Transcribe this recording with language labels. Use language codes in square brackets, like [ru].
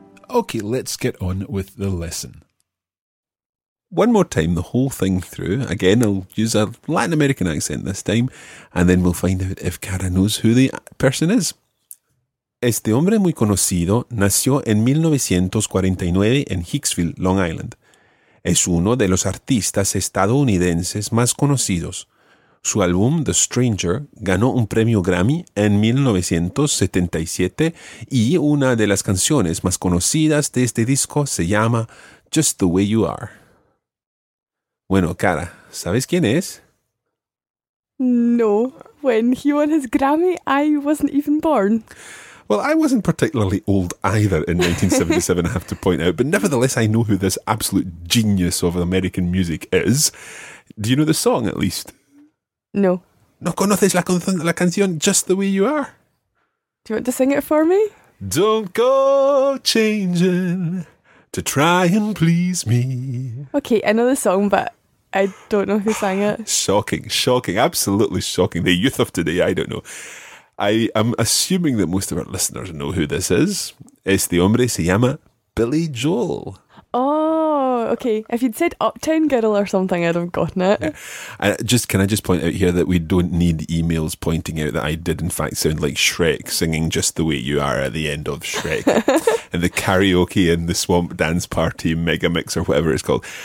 [en] Okay, let's get on with the lesson. One more time, the whole thing through. Again, I'll use a Latin American accent this time, and then we'll find out if Cara knows who the person is. [es] Este hombre muy conocido nació en 1949 en Hicksville, Long Island. Es uno de los artistas estadounidenses más conocidos. Su álbum, The Stranger, ganó un premio Grammy en 1977 y una de las canciones más conocidas de este disco se llama Just the Way You Are. Bueno, Cara, ¿sabes quién es? [en] No, when he won his Grammy, I wasn't even born. Well, I wasn't particularly old either in 1977, I have to point out, but nevertheless, I know who this absolute genius of American music is. Do you know the song, at least? No. [es] ¿No conoces la canción Just the Way You Are? [en] Do you want to sing it for me? Don't go changing to try and please me. Okay, I know the song, but I don't know who sang it. Shocking, shocking, absolutely shocking. The youth of today, I don't know. I am assuming that most of our listeners know who this is. [es] Este hombre se llama Billy Joel. [en] Oh, okay. If you'd said Uptown Girl or something, I'd have gotten it. Yeah. Can I just point out here that we don't need emails pointing out that I did in fact sound like Shrek singing Just the Way You Are at the end of Shrek and the karaoke and the swamp dance party mega mix or whatever it's called.